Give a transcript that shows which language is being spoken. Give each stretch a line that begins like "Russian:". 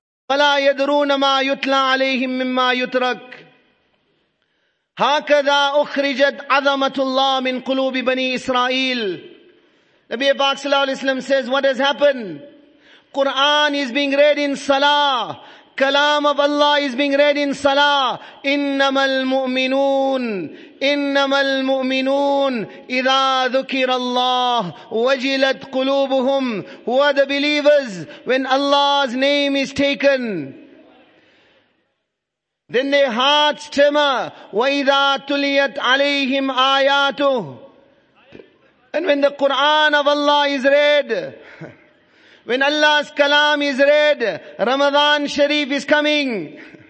Arabic: وَلَا يَدْرُونَ مَا يُتْلَى عَلَيْهِمْ مِمَّا يُتْرَكْ هَكَذَا أُخْرِجَتْ عَظَمَةُ اللَّهِ مِنْ قُلُوبِ بَنِي إِسْرَائِيلِ
English: Nabi Pak Sallallahu Alaihi Wasallam says, what has happened? Quran is being read in salah. Kalam of Allah is being read in salah.
Arabic: إِنَّمَا الْمُؤْمِنُونَ إِنَّمَا الْمُؤْمِنُونَ إِذَا ذُكِرَ اللَّهُ وَجِلَتْ قُلُوبُهُمْ
English: Who are the believers? When Allah's name is taken, then their hearts tremor.
Arabic: وَإِذَا تُلِيَتْ عَلَيْهِمْ آيَاتُهُ
English: And when the Qur'an of Allah is read, when Allah's kalam is read, Ramadan Sharif is coming.